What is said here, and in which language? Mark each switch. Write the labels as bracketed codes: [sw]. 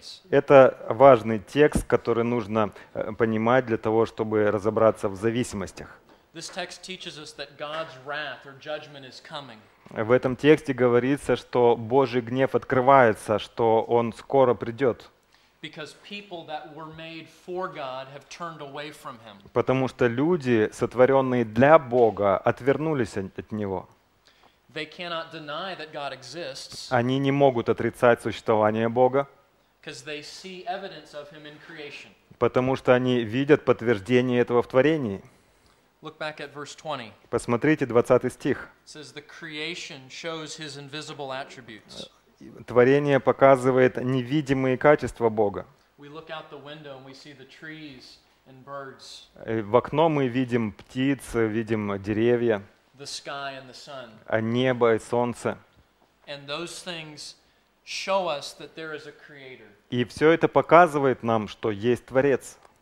[ru] Это важный текст, который нужно понимать для того, чтобы разобраться в зависимостях. [en] This text teaches us that God's wrath or judgment is coming. [ru] В этом тексте говорится, что Божий гнев открывается, что он скоро придет. [en] Because people that were made for God have turned away from Him. [ru] Потому что люди, сотворенные для Бога, отвернулись от Него. [en] They cannot deny that God exists. [ru] Они не могут отрицать существование Бога. [en] Because they see evidence of Him in creation. [ru] Потому что они видят подтверждение этого в творении. [en] Look back at verse 20. [ru] Посмотрите 20 стих. [en] It says the creation shows His invisible attributes. [ru] Творение показывает невидимые качества Бога. В окно мы видим птиц, видим деревья, а небо и солнце. И все это показывает нам, что есть Творец.